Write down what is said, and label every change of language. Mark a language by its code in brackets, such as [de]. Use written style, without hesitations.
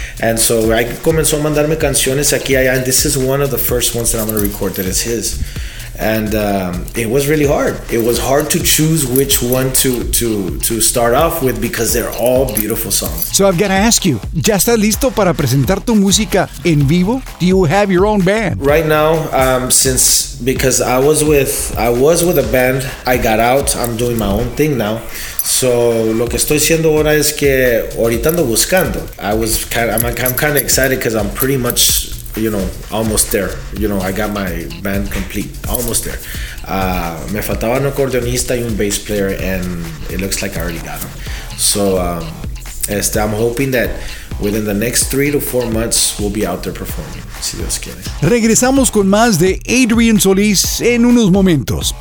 [en] And so I [es] comenzó a mandarme canciones aquí allá. [en] And this is one of the first ones that I'm going to record that is his. And it was really hard. It was hard to choose which one to start off with because they're all beautiful songs. So I've got to ask you, [es] ¿ya estás listo para presentar tu música en vivo? [en] Do you have your own band? Right now, because I was with a band, I got out, I'm doing my own thing now. [es] So lo que estoy haciendo ahora es que ahorita ando buscando. [en] I'm kind of excited because I'm pretty much, you know, almost there. You know, I got my band complete. Almost there. [es] Me faltaba un acordeonista y un [en] bass player, and it looks like I already got them. So I'm hoping that within the next 3 to 4 months, we'll be out there performing, [es] si Dios quiere. Regresamos con más de Adrian Solis en unos momentos.